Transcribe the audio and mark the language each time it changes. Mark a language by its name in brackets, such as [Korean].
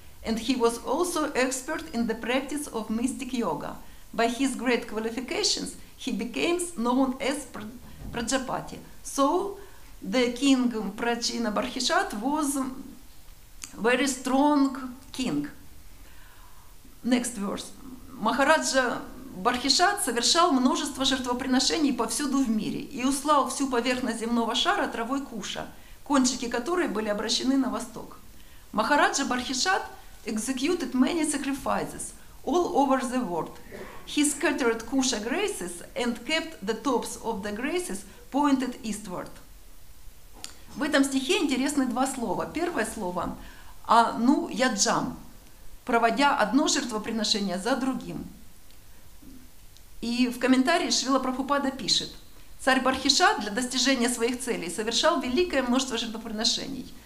[English] And he was also expert in the practice of mystic yoga. By his great qualifications, he became known as Prajapati. So the king Prachina Barkhishat was a very strong king. Next verse. [Russian] Махараджа Бархишат совершал множество жертвоприношений повсюду в мире и услал всю поверхность земного шара травой куша, кончики которой были обращены на восток. [English] Махараджа Бархишат executed many sacrifices all over the world. He scattered kusha graces and kept the tops of the graces pointed eastward. [Russian] В этом стихе интересны два слова. Первое слово «ану яджам», проводя одно жертвоприношение за другим. И в комментарии Шрила Прабхупада пишет: «Царь Бархишат для достижения своих целей совершал великое множество жертвоприношений.